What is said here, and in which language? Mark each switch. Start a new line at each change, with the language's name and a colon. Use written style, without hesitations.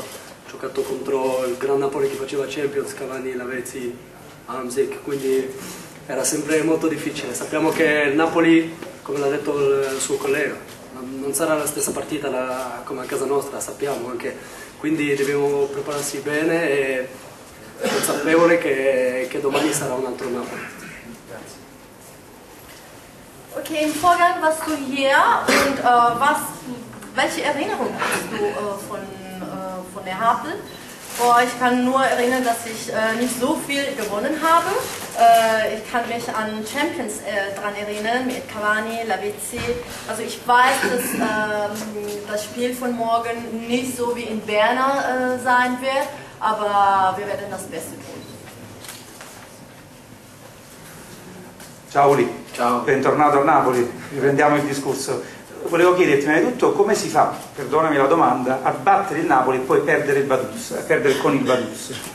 Italian: Ho giocato contro il Gran Napoli che faceva Champions, Cavani, Lavezzi, Hamzik, quindi era sempre molto difficile. Sappiamo che il Napoli, come l'ha detto il suo collega, non sarà la stessa partita come a casa nostra, sappiamo anche. Quindi dobbiamo prepararsi bene e consapevole che domani sarà un altro Napoli.
German: Okay, im Vorgang warst du hier und welche Erinnerung hast du von der Havel? Oh, ich kann nur erinnern, dass ich nicht so viel gewonnen habe. Ich kann mich an Champions dran erinnern, mit Cavani, Lavezzi. Also ich weiß, dass das Spiel von morgen nicht so wie in Berna sein wird, aber wir werden das Beste tun.
Italian: Ciao Uli. Ciao. Bentornato a Napoli, riprendiamo il discorso. Volevo chiederti prima di tutto come si fa, perdonami la domanda, a battere il Napoli e poi perdere il Vaduz, a perdere con il Vaduz.